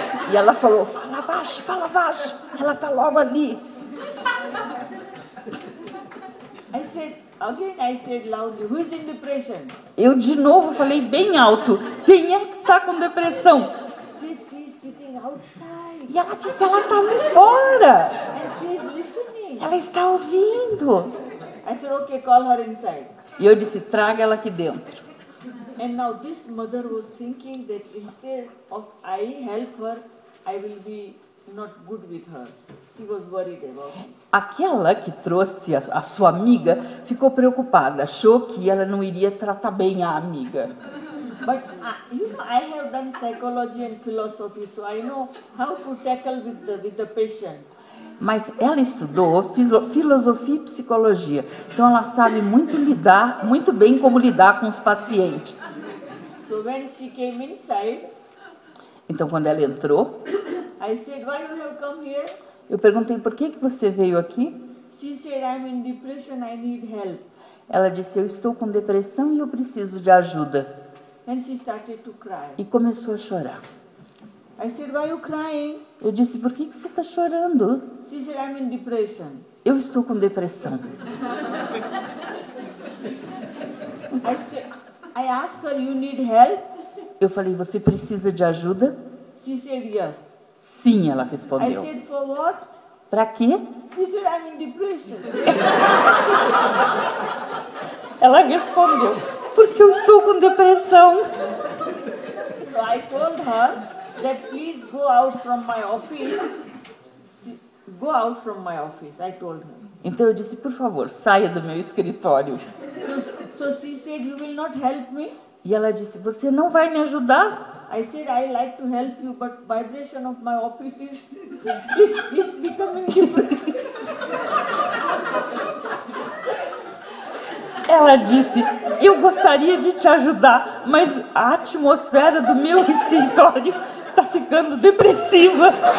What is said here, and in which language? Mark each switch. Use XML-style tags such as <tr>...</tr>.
<pt>E ela falou, fala baixo, fala baixo. Ela está logo ali.</pt> <en>I said, again, I said loudly, who is in depression?</en> <pt>Eu de novo falei bem alto, quem é que está com depressão?</pt> <en>She said, sitting outside.</en> <pt>E ela disse, ela está ali fora.</pt> <en>I said, listening.</en> <pt>Ela está ouvindo.</pt> <en>I said, okay, call her inside.</en> <pt>E eu disse, traga ela aqui dentro.</pt> <en>And now this mother was thinking that instead of I help her, I will be not good with her. She was worried about me.</en> <pt>Aquela que trouxe a sua amiga ficou preocupada, achou que ela não iria tratar bem a amiga.</pt> <en>But you know, I have done psychology and philosophy, so I know how to tackle with the patient.</en> <pt>Mas ela estudou filosofia e psicologia. Então ela sabe muito lidar, muito bem como lidar com os pacientes.</pt> <en>So when she came inside,</en> <pt>então quando ela entrou,</pt> <en>I said, why you have come here?</en> <pt>Eu perguntei, por que você veio aqui?</pt> <en>She said, I'm in depression, I need help.</en> <pt>Ela disse, eu estou com depressão e eu preciso de ajuda.</pt> <en>And she started to cry.</en> <pt>E começou a chorar.</pt> <en>I said, why you crying?</en> <pt>Eu disse, por que você está chorando?</pt> <en>She said, I'm in depression.</en> <pt>Eu estou com depressão.</pt> <en>I said, I asked her, you need help?</en> <pt>Eu falei, você precisa de ajuda?</pt> <en>She said, yes.</en> <pt>Sim, ela respondeu.</pt> <en>I said, for what?</en> <pt>Para quê?</pt> <en>She said, I'm in depression.</en> <pt>Ela respondeu, porque eu estou com depressão.</pt> <en>So I told her, that please go out from my office. Go out from my office, I told her.</en> <pt>Então eu disse, por favor, saia do meu escritório.</pt> <en>So she said, you will not help me?</en> <pt>E ela disse, você não vai me ajudar?</pt> <en>I said, I like to help you, but vibration of my office is becoming different.</en> <pt>Ela disse, eu gostaria de te ajudar, mas a atmosfera do meu escritório está ficando depressiva.</pt>